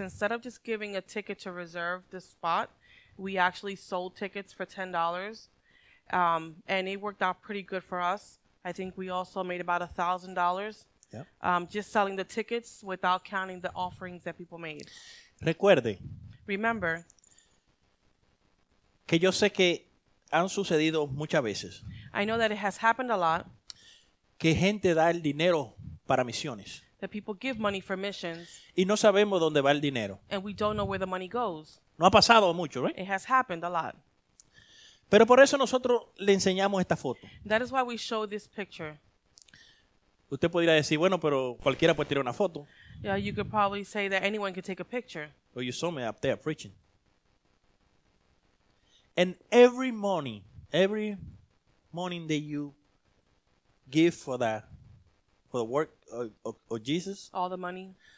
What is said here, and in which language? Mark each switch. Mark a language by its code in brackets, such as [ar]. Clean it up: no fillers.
[en] Instead of just giving a ticket to reserve the spot, we actually sold tickets for $10. And it worked out pretty good for us. I think we also made about $1,000. Yep. Just selling the tickets without counting the offerings that people made. [es] Recuerde. [en] Remember. [es] Que yo sé que han sucedido muchas veces. [en] I know that it has happened a lot. [es] Que gente da el dinero para misiones. [en] That people give money for missions. [es] Y no sabemos dónde va el dinero. [en] And we don't know where the money goes. [es] No ha pasado mucho, right? [en] It has happened a lot. [es] Pero por eso nosotros le enseñamos esta foto. [en] That is why we show this picture. [es] Usted podría decir, bueno, pero cualquiera puede tirar una foto. [en] Yeah, you could probably say that anyone could take a picture. Well, you saw me up there preaching. And every morning that you give for that, for the work of Jesus. All the money.